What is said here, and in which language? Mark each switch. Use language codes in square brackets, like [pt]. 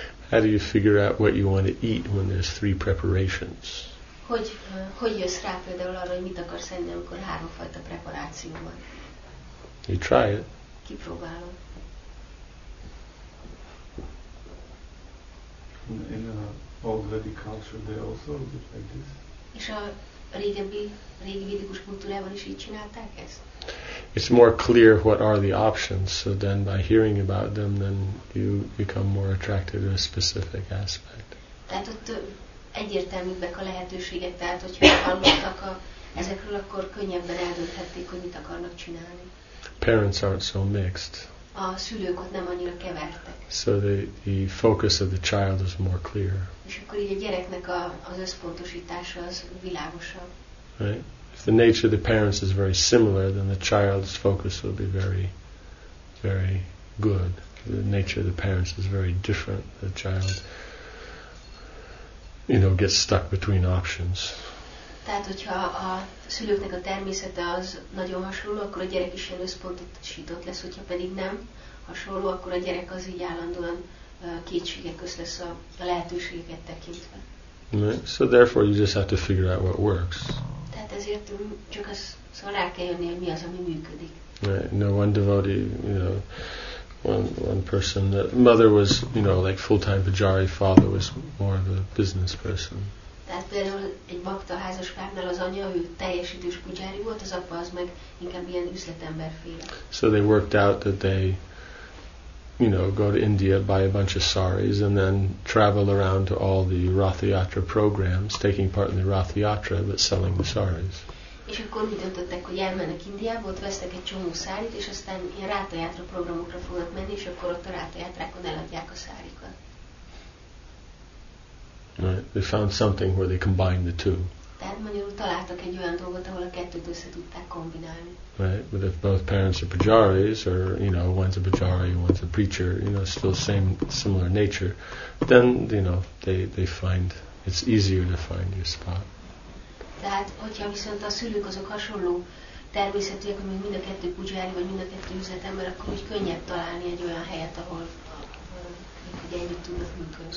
[en] How do you figure out what you want to eat when there's three preparations? [hu] Hogy jössz rá például arra, hogy mit akarsz enni, amikor háromfajta preparáció van? [en] You try it. [hu] Kipróbálom. [en] In a old Vedic culture, they also did like this. [hu] És a régi védikus kultúrában is így csinálták ezt? [en] It's more clear what are the options, so then by hearing about them, then you become more attracted to a specific aspect. [hu] Tehát ott egyértelműbbek a lehetőségek, tehát hogyha hallottak ezekről, akkor könnyebben eldönthették, hogy mit akarnak csinálni. [en] Parents aren't so mixed. [hu] A szülők ott nem annyira kevertek. [en] So the focus of the child is more clear. [hu] És akkor így a gyereknek az összpontosítása az világosabb. [en] Right? If the nature of the parents is very similar, then the child's focus will be very, very good. The nature of the parents is very different. The child, you know, gets stuck between options. [hu] Tehát, hogyha a szülőknek a természete az nagyon hasonló, akkor a gyerek is összpontosított lesz, hogyha pedig nem hasonló, akkor a gyerek az így állandóan kétségek közt lesz a lehetőségeket tekintve. [en] So therefore you just have to figure out what works. [hu] Tehát ezért csak az, szóval rá kell jönni, hogy mi az, ami működik. [en] Right. No, one devotee, you know, one person, the mother was, you know, like full-time pujari, father was more of a business person. [hu] Tehát például egy bakta házas párnál az anya, ő teljesítős pujari volt, az apa az meg inkább ilyen üzletemberféle. [en] So they worked out that they, you know, go to India, buy a bunch of saris, and then travel around to all the Rath Yatra programs, taking part in the Rath Yatra, but selling the saris. [hu] És akkor mit döntöttek, hogy elmennek Indiába, ott vesznek egy csomó sárit, és aztán ilyen Rath Yatra programokra fognak menni, és akkor ott a Rath Yatrákon eladják a sárikat. [en] Right. They found something where they combined the two. [hu] Tehát magyarul találtak egy olyan dolgot, ahol a kettőt össze tudták kombinálni. [en] Right, but if both parents are pujaris, or you know, one's a pujari, one's a preacher, you know, still same similar nature, then you know they find it's easier to find your spot. [hu] Tehát, hogyha viszont a szülők azok hasonló természetűek, mint mind a kettő pujari vagy mind a kettő üzletember, akkor úgy könnyebb találni egy olyan helyet, ahol együtt tudnak működni.